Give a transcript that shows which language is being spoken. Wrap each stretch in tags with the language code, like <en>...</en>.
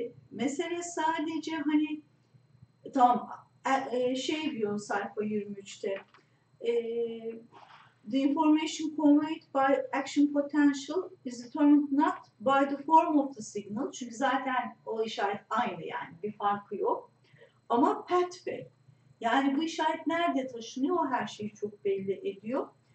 <tr>Mesele sadece hani tamam şey diyor sayfa 23'te.</tr> <en>The information conveyed by action potential is determined not by the form of the signal.</en> <tr>Çünkü zaten o işaret aynı yani bir farkı yok. Ama pathway. Yani bu işaret nerede taşınıyor o her şeyi çok belli ediyor.</tr>